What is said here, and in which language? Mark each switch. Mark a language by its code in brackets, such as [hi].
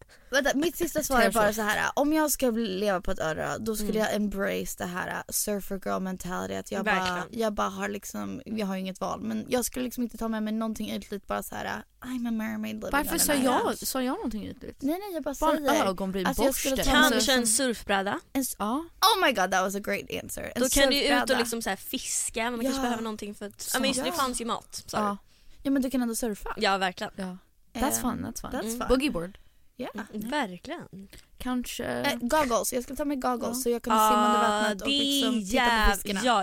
[sv] Vänta, mitt sista svar är bara så här. Om jag ska leva på ett öra, då skulle jag embrace det här [en] surfer girl mentality. [sv] Att jag bara har liksom, jag har inget val. Men jag skulle liksom inte ta med mig någonting ytligt. Bara så här, [en] I'm a mermaid. [sv] Varför sa jag någonting ytligt? Nej, jag bara säger. Bara ögonbryn borste. Kanske en surfbräda. [en] Oh my god, that was a great answer. [sv] Då kan du ut och liksom så här fiska. Men man kanske behöver någonting för att, [en] I mean, [sv] det fanns ju mat. Ja, men du kan ändå surfa. Ja, verkligen. [en] Ja. That's fun, that's fun. That's fun. Boogie board. Yeah. [sv] Mm. Verkligen. Kanske... goggles. Jag ska ta med goggles så jag kan simma under vattnet och liksom titta på fiskarna.